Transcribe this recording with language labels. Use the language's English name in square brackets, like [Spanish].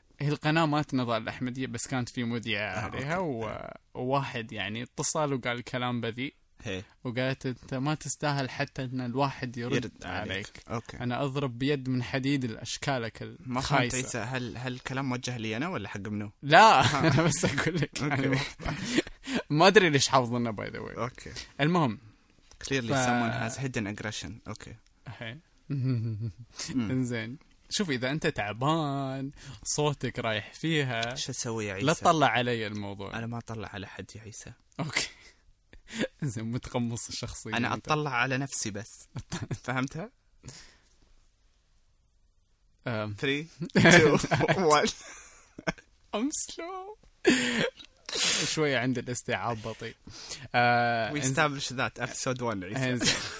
[Arabic] هي القناة مات نضال أحمدية بس كانت في مذيعة عليها وواحد يعني اتصل وقال الكلام بذيء وقالت أنت ما تستاهل حتى أن الواحد يرد عليك [English] Okay. [Arabic] أنا أضرب بيد من حديد الأشكالك الخايسة ما هل الكلام موجه لي أنا ولا حق منه لا أنا بس أقول لك يعني ما أدري ليش حافظنا [English] By the way okay. [Arabic] المهم [English] clearly someone has hidden aggression okay [Arabic] إنزين شوف إذا أنت تعبان صوتك رايح فيها شو أسوي يا عيسى لا تطلع علي الموضوع أنا ما أطلع على حد يا عيسى أوكي إنزين متقمص الشخصية أنا أطلع على نفسي بس فهمتها 3 2 1 [English] I'm slow [Arabic] شوية عند الاستيعاب بطيء [English] We establish that episode 1 عيسى